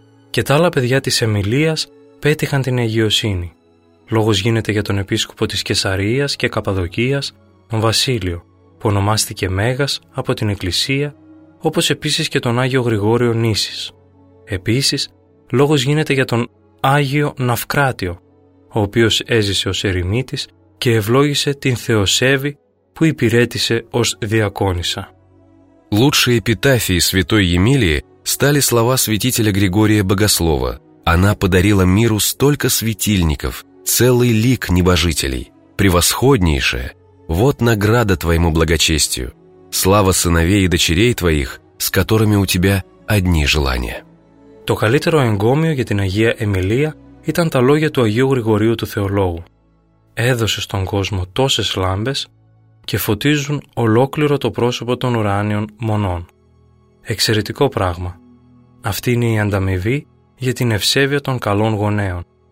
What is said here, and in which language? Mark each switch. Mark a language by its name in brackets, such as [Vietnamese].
[Greek] Και τα άλλα παιδιά της Εμιλίας πέτυχαν την αγιοσύνη. Λόγος γίνεται για τον επίσκοπο της Κεσαρίας και Καπαδοκίας, τον Βασίλειο, που ονομάστηκε Μέγας από την Εκκλησία, όπως επίσης και τον Άγιο Γρηγόριο Νήσις. Επίσης, λόγος γίνεται για τον Άγιο Ναυκράτιο, ο οποίος έζησε ως ερημίτης και ευλόγησε την Θεοσέβη που υπηρέτησε ως διακόνισσα. [Russian] Лучшие эпитафии святой Емилии стали слова святителя Григория Богослова: «Она подарила миру столько светильников, целый лик небожителей. Превосходнейшая! Вот награда твоему благочестию. Слава сыновей и дочерей твоих, с которыми у тебя одни желания». [Greek] Το καλύτερο εγκόμιο για την Αγία Εμιλία ήταν τα λόγια του Αγίου Γρηγορίου του Θεολόγου. Έδωσε στον κόσμο τόσες λάμπες και φωτίζουν ολόκληρο το πρόσωπο των ουράνιων μονών. Εξαιρετικό πράγμα. Αυτή είναι η ανταμοιβή για την ευσέβεια των καλών γονέων.